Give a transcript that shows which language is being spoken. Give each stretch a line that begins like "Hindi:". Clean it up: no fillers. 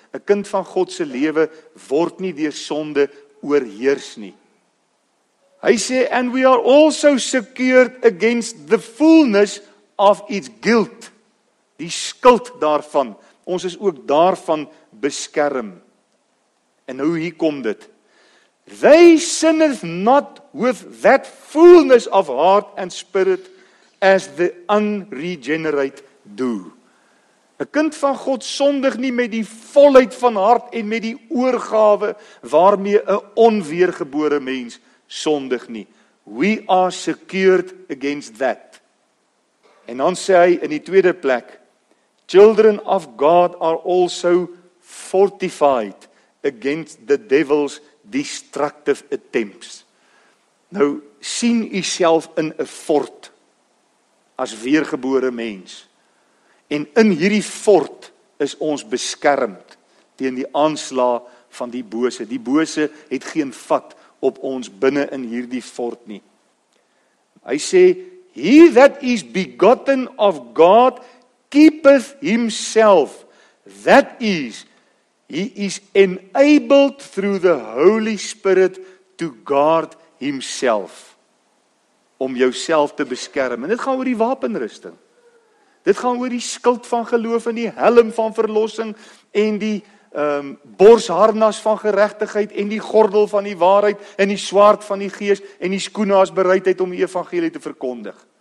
Afrikaans: 'N kind van God se lewe word nie deur sonde oorheers nie. Hy sê,
English: and we are also secured against the fullness of its guilt.
Afrikaans: Die skuld daarvan. Ons is ook daarvan beskerm. En nou hier kom dit.
English: They sinneth not with that fullness of heart and spirit as the unregenerate do.
Afrikaans: 'N kind van God sondig nie met die volheid van hart en met die oorgawe waarmee 'n onweergebore mens sondig nie.
English: We are secured against that.
Afrikaans: En dan sê hy in die tweede plek,
English: children of God are also fortified against the devil's destructive attempts.
Afrikaans: Nou, sien u self in 'n fort as weergebore mens. En in hierdie fort is ons beskermd teen die aanslag van die bose. Die bose het geen vat op ons binne in hierdie fort nie. Hy sê,
English: he that is begotten of God keepeth himself. That is, he is enabled through the Holy Spirit to guard himself.
Afrikaans: Om jouself te beskerm. En dit gaan oor die wapenrusting. Dit gaan oor die skild van geloof en die helm van verlossing en die borsharnas van geregtigheid en die gordel van die waarheid en die swaard van die gees en die skoene as bereidheid om die evangelie te verkondig.